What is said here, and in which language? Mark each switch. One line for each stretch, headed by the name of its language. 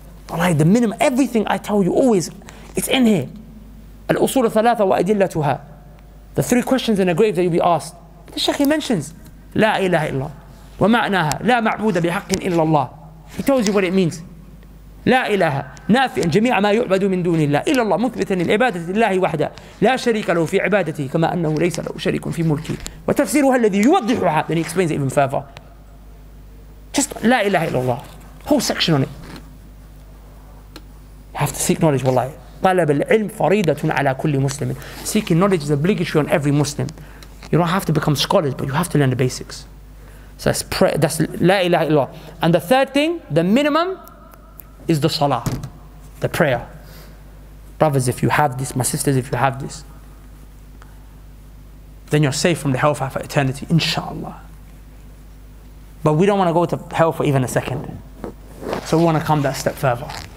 English: Allah, the minimum, everything I tell you, always, it's in here. Al-usul al-thalatha wa adillatuha. The three questions in a grave that you'll be asked. The Shaykh, he mentions, La ilaha illallah.
Arabic: Wa ma'naha, la ma'buda bihaqqin illallah.
English: He tells you what it means.
Arabic: لا إله نافئا جميع ما يعبد من دون الله إلا الله مثبتا للعبادة لله وحده لا شريك له في عبادته كما أنه ليس له شريك في ملكه وتفسيرها الذي يوضحها.
English: Then he explains it even further. Just
Arabic: لا إله إلا الله,
English: whole section on it. You have to seek knowledge.
Arabic: والله طلب العلم فريدة على كل مسلم.
English: Seeking knowledge is obligatory on every Muslim. You don't have to become scholars, but you have to learn the basics. So that's
Arabic: لا إله إلا الله.
English: And the third thing, the minimum, is the salah, the prayer. Brothers, if you have this, my sisters, if you have this, then you're safe from the hellfire for eternity, inshallah. But we don't want to go to hell for even a second. So we want to come that step further.